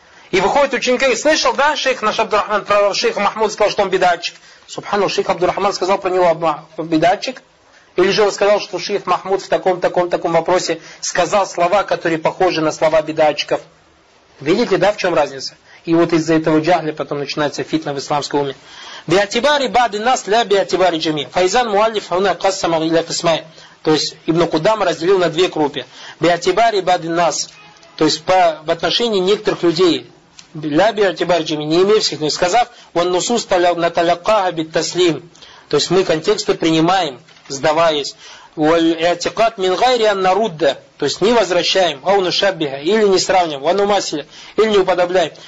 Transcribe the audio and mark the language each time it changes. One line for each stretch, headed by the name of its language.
Russian: И выходят ученики и говорят, слышал, да, шейх наш Абдурахман про шейха Махмуда сказал, что он бидатчик. Субхану, шейх Абдурахман сказал про него бидатчик? Или же он сказал, что шейх Махмуд в таком вопросе сказал слова, которые похожи на слова бидатчиков? Видите, да, в чем разница? И вот из-за этого джахля потом начинается фитна в исламском уме.
Arabic: باعتبار بعض الناس لا باعتبار الجميع. فإذا المؤلف هنا قسم إلى قسمين.
Russian: То есть Ибн Кудама разделил на две группы.
Arabic: Биатибари бад нас,
Russian: то есть по, в отношении некоторых людей,
Arabic: ля биатибари джими,
Russian: не имевших, но и сказав,
Arabic: он нусус на таляккаха бит таслим,
Russian: то есть мы контексты принимаем, сдаваясь. И
Arabic: атикат мин гайри анна рудда,
Russian: то есть не возвращаем, а он ушаббиха, или не сравниваем, ван умасиля, или не уподобляем.